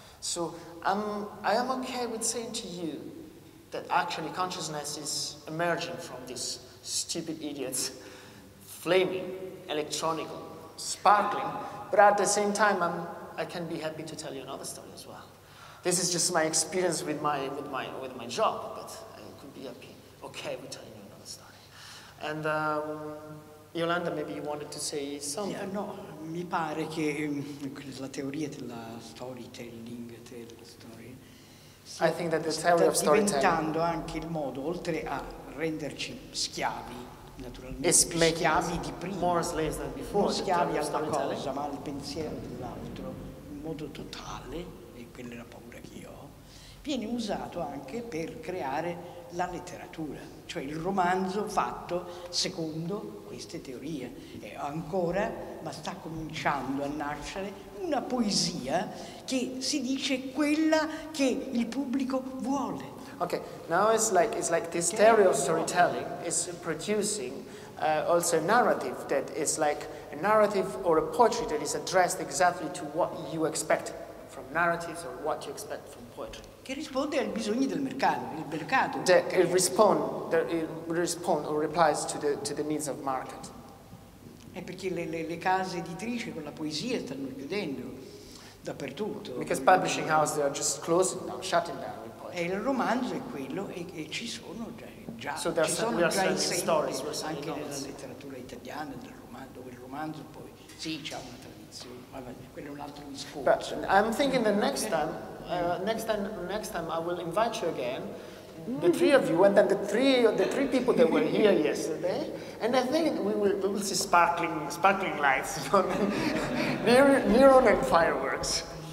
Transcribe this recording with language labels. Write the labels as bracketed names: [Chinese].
[English] So I am okay with saying to you that actually consciousness is emerging from this stupid idiot's flaming, electronical, sparkling, but at the same time, I can be happy to tell you another story as well. This is just my experience with my job, but okay, we're telling you another story. And Jolanda, maybe you wanted to say something? Yeah, no, [Italian] mi pare che la teoria della storytelling, della story, [English] I think that the theory of storytelling [Italian] sta diventando anche il modo, oltre a renderci schiavi, naturalmente, [English] it's making [Italian] schiavi di prima, [English] more slaves than before, [Italian] schiavi alla cosa, ma al pensiero dell'altro, in modo totale, e quella è la paura che io ho, viene usato anche per creare la letteratura, cioè il romanzo fatto secondo queste teorie. E ancora, ma sta cominciando a nascere, una poesia che si dice quella che il pubblico vuole. [English] Okay, now it's like this stereo storytelling is producing also a narrative that is like a narrative or a poetry that is addressed exactly to what you expect from narratives or what you expect from poetry. [Italian] Che risponde ai bisogni del mercato, il mercato. [English] It responds or replies to the needs of market. [Italian] È perché le case editrici con la poesia stanno chiudendo dappertutto. [English] Because publishing houses they are just closing down, shutting down. [Italian] E il romanzo è quello e ci sono già [English] so there [Italian] ci sono già esempi anche nella letteratura italiana del romanzo, dove il romanzo poi sì c'ha una tradizione, ma quello è un altro discorso. [English] But I'm thinking that next time I will invite you again, the three of you, and then the three people that were here yesterday, and I think we will see sparkling lights, neon and fireworks.